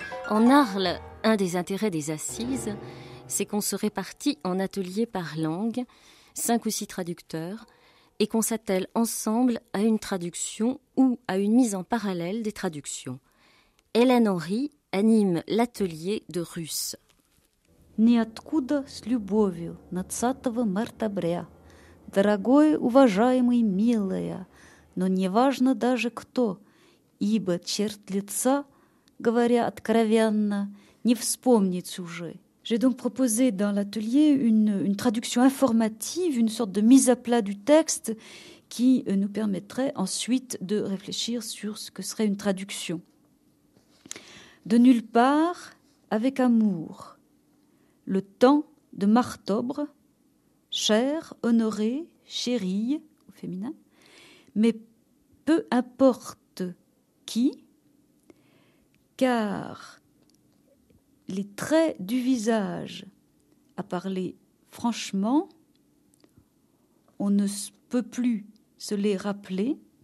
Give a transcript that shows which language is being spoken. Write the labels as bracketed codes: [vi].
[fr] En Arles, un des intérêts des assises, c'est qu'on se répartit en ateliers par langue, 5 ou 6 traducteurs, et qu'on s'attelle ensemble à une traduction ou à une mise en parallèle des traductions. Hélène Henry anime l'atelier de russe. [ru] Ниоткуда с любовью на 20 мартабря. Дорогой, уважаемый, милая, но не важно даже кто, ибо черт лица, говоря откровенно, не вспомнить уже. [fr] J'ai donc proposé dans l'atelier une traduction informative, une sorte de mise à plat du texte qui nous permettrait ensuite de réfléchir sur ce que serait une traduction. De nulle part, avec amour. Le temps de Martobre, cher, honoré, chérie, au féminin, mais peu importe qui, car les traits du visage, à parler franchement, on ne peut plus se les rappeler,